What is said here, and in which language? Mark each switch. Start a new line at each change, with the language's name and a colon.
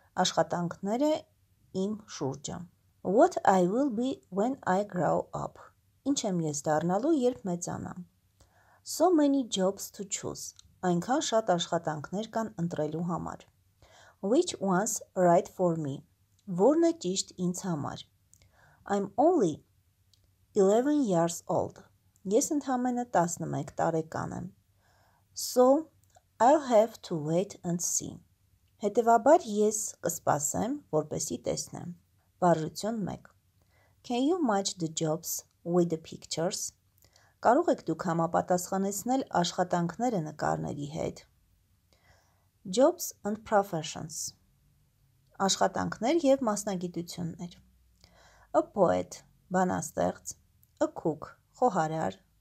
Armenian: Աշխատանքները իմ շուրջը.
English: What I will be when I grow up.
Armenian: Ինչ եմ ես դառնալու, երբ մեծանամ.
English: So many jobs to choose.
Armenian: Այնքան շատ աշխատանքներ կան ընտրելու համար.
English: Which one's right for me?
Armenian: Որն է ճիշտ ինձ համար.
English: I'm only 11 years old.
Armenian: Ես ընդամենը 11 տարեկան եմ.
English: So I'll have to wait and see.
Armenian: Հետևաբար ես կսպասեմ, որպեսի տեսնեմ. Բարություն 1.
English: Can you match the jobs with the pictures?
Armenian: Կարող եք դուք համապատասխանեցնել աշխատանքները նկարների հետ.
English: Jobs and professions.
Armenian: Աշխատանքներ եւ մասնագիտություններ.
English: A poet, բանաստեղծ. A cook, խոհարար.